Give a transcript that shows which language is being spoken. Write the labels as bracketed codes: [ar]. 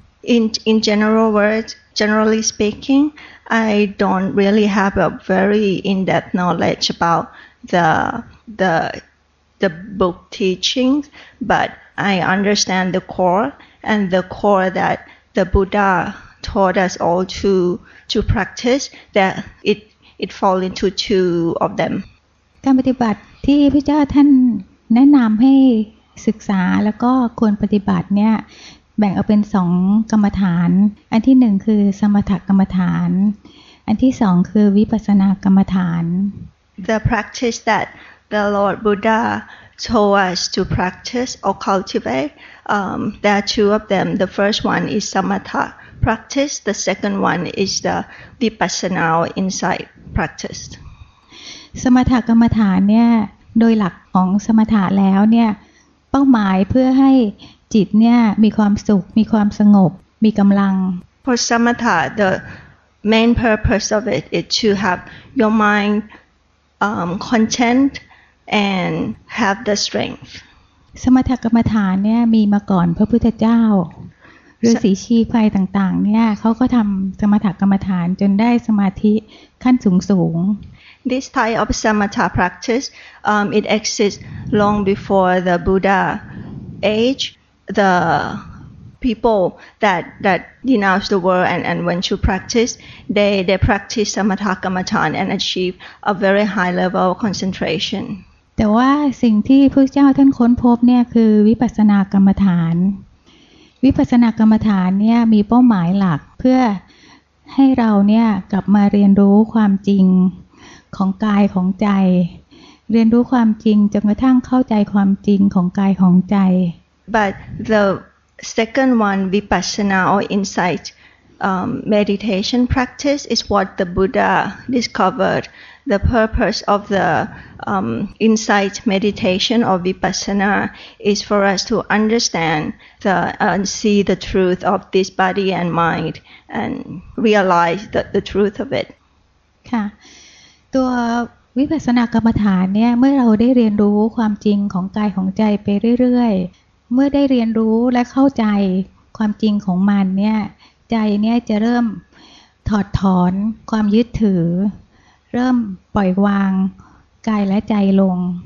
[en] in general words generally speaking I don't really have a very in depth knowledge about the book teachings, but I understand the core and the core that the Buddha taught us all to practice that it fall into two of them. [th] การปฏิบัติที่พระเจ้าท่านแนะนำให้ศึกษาแล้วก็ควรปฏิบัติเนี่ยแบ่งออกเป็น2กรรมฐานอันที่1คือสมถกรรมฐานอันที่2คือวิปัสสนากรรมฐาน [en] The practice thatThe Lord Buddha told us to practice or cultivate. There are two of them. The first one is samatha practice. The second one is the vipassana insight practice. [th] Samatha กรรมฐานเนี่ยโดยหลักของสมถะแล้วเนี่ยเป้าหมายเพื่อให้จิตเนี่ยมีความสุขมีความสงบมีกำลัง [en] For samatha, the main purpose of it is to have your mind content. And have the strength. [th] สมถกรรมฐานเนี่ยมีมาก่อนพระพุทธเจ้าฤาษีชีพไฟต่างๆเนี่ยเขาก็ทำสมถกรรมฐานจนได้สมาธิขั้นสูงสูง [en] This type of samatha practice it exists long before the Buddha age. The people that denounced the world and went to practice, they practice samatha kamatan and achieve a very high level of concentration. [th] แต่ว่าสิ่งที่พระเจ้าท่านค้นพบเนี่ยคือวิปัสสนากรรมฐานวิปัสสนากรรมฐานเนี่ยมีเป้าหมายหลักเพื่อให้เราเนี่ยกลับมาเรียนรู้ความจริงของกายของใจเรียนรู้ความจริงจนกระทั่งเข้าใจความจริงของกายของใจ [en] But the second one vipassana or insight meditation practice is what the Buddha discovered the purpose of theinsight meditation or vipassana is for us to understand and see the truth of this body and mind and realize the truth of it. [th] ค่ะตัววิปัสสนากรรมฐานเนี่ยเมื่อเราได้เรียนรู้ความจริงของกายของใจไปเรื่อยๆเมื่อได้เรียนรู้และเข้าใจความจริงของมันเนี่ยใจเนี่ยจะเริ่มถอดถอนความยึดถือเริ่มปล่อยวางกายและใจลง